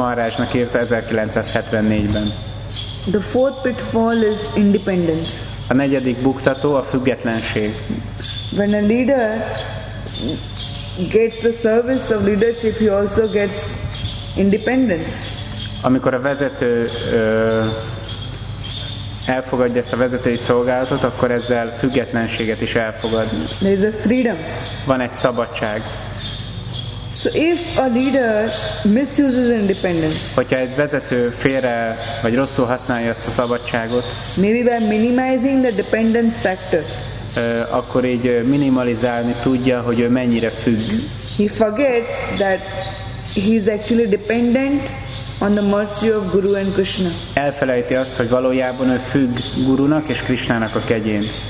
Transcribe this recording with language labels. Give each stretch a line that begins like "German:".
Hungarian: Ezt Kirtanananda Maharajnak írta 1974-ben.
English: The fourth pitfall is independence.
Hungarian: A negyedik buktató a függetlenség.
English: When a leader gets the service of leadership, he also gets independence.
Hungarian: Amikor a vezető elfogadja ezt a vezetői szolgálatot, akkor ezzel függetlenséget is elfogad.
English: There is a freedom.
Hungarian: Van egy szabadság.
English: So if a leader misuses independence,
Hungarian: hogyha egy vezető félre vagy rosszul használja ezt a szabadságot,
English: maybe by minimizing the dependence factor,
Hungarian: akkor így minimalizálni tudja, hogy ő mennyire függ.
English: He forgets that he is actually dependent on the mercy of Guru and Krishna.
Hungarian: Elfelejti azt, hogy valójában ő függ Gurunak és Krishnának a kegyén.